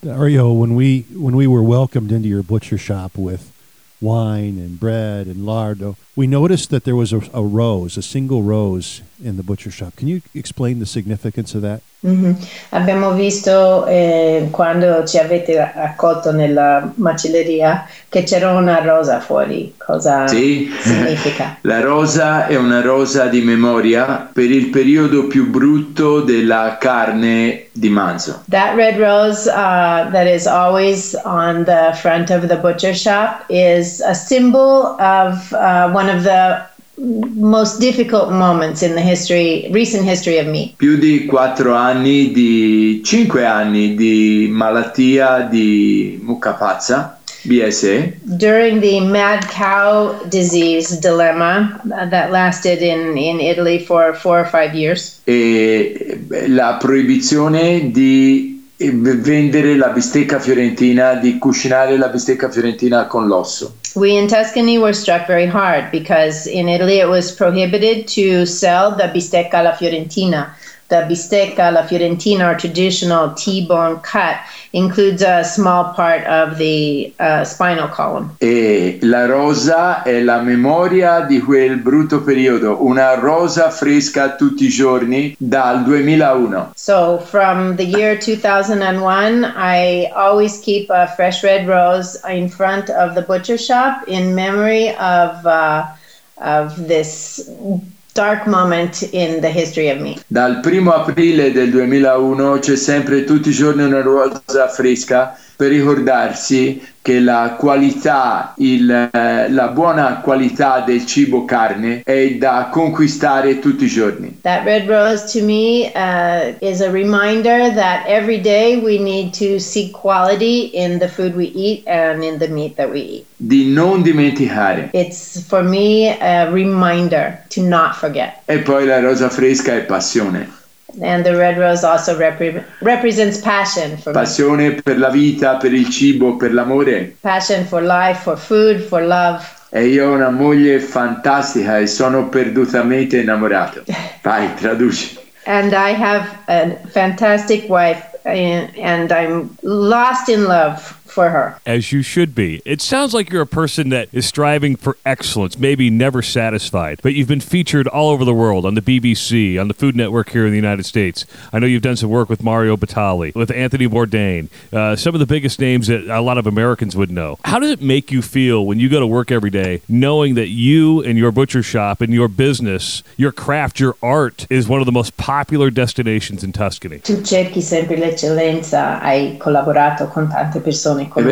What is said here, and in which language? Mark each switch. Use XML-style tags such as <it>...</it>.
<en>Dario, when we were welcomed into your butcher shop with wine and bread and lardo, we noticed that there was a rose, a single rose in the butcher shop. Can you explain the significance of that? Mm-hmm.</en> <it>Abbiamo visto quando ci avete accolto nella macelleria che c'era una rosa fuori. Cosa sì. Significa? La rosa è una rosa di memoria per il periodo più brutto della carne di manzo.</it> <en>That red rose that is always on the front of the butcher shop is a symbol of one of the most difficult moments in the history, recent history of me.</en> <it>Più di quattro anni, di cinque anni di malattia di mucca pazza, BSE.</it> <en>During the mad cow disease dilemma that lasted in Italy for 4 or 5 years.</en> <it>E la proibizione di vendere la bistecca fiorentina, di cucinare la bistecca fiorentina con l'osso.</it> <en>We in Tuscany were struck very hard because in Italy it was prohibited to sell the bistecca alla fiorentina. The bistecca alla fiorentina, our traditional T-bone cut, includes a small part of the spinal column.</en> <it>E la rosa è la memoria di quel brutto periodo, una rosa fresca tutti i giorni dal 2001.</it> <en>So from the year 2001, I always keep a fresh red rose in front of the butcher shop in memory of this dark moment in the history of me.</en> <it>Dal primo aprile del 2001 c'è sempre tutti i giorni una rosa fresca per ricordarsi che la qualità, la buona qualità del cibo carne è da conquistare tutti i giorni.</it> <en>That red rose to me is a reminder that every day we need to seek quality in the food we eat and in the meat that we eat.</en> <it>Di non dimenticare.</it> <en>It's for me a reminder to not forget.</en> <it>E poi la rosa fresca è passione.</it> <en>And the red rose also represents passion for me.</en> <it>Passione per la vita, per il cibo, per l'amore.</it> <en>Passion for life, for food, for love.</en> <it>E io ho una moglie fantastica e sono perdutamente innamorato. Vai, traduci.</it> <en>And I have a fantastic wife and I'm lost in love for her. As you should be. It sounds like you're a person that is striving for excellence, maybe never satisfied, but you've been featured all over the world on the BBC, on the Food Network here in the United States. I know you've done some work with Mario Batali, with Anthony Bourdain, some of the biggest names that a lot of Americans would know. How does it make you feel when you go to work every day knowing that you and your butcher shop and your business, your craft, your art is one of the most popular destinations in Tuscany?</en> <it>Tu cerchi sempre l'eccellenza, hai collaborato con tante persone.</it>